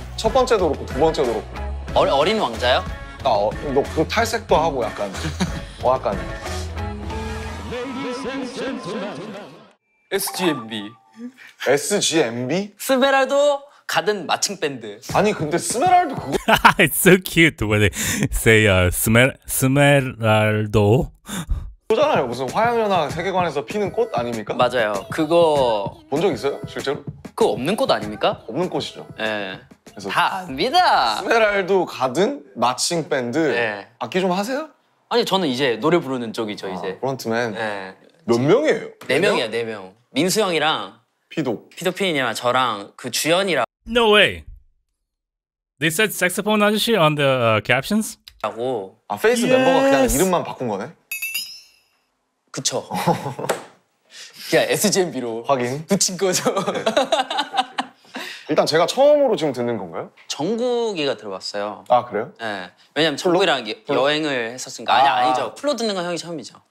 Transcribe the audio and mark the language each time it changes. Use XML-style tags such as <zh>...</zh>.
<ko>첫 번째도 그렇고 두 번째도 그렇고. 어린 왕자요? 나 너 그 탈색도 하고 약간. 뭐 약간. SGMB. SGMB? 스메랄도? 가든 마칭 밴드. 아니 근데 스메랄드 그거.</ko> <en>It's so cute when they say Smeraldo.</en> <ko>그거잖아요. 무슨 화양연화 세계관에서 피는 꽃 아닙니까? 맞아요. 그거 본 적 있어요? 실제로? 그 없는 꽃 아닙니까? 없는 꽃이죠. 예. 그래서 다 압니다. 스메랄드 가든 마칭 밴드. 예. 악기 좀 하세요? 아니 저는 이제 노래 부르는 쪽이죠. 아, 이제. 프론트맨. 예. 몇 명이에요? 네 명이야. 네 명. 민수 형이랑 피도 피니냐 저랑 그 주연이랑.</ko> <en>No way. They said saxophone</en> <ko>아저씨</ko> <en>on the captions.</en> <ko>라고. 아 페이스 yes. 멤버가 그냥 이름만 바꾼 거네. 그쵸. 그냥 SGMB로 확인. 붙인 거죠. 일단 제가 처음으로 지금 듣는 건가요? 정국이가 들어봤어요. 아 그래요? 네. 왜냐면 정국이랑 여행을 했었으니까. 아니 아니죠. 플로 듣는 건 형이 처음이죠.</ko>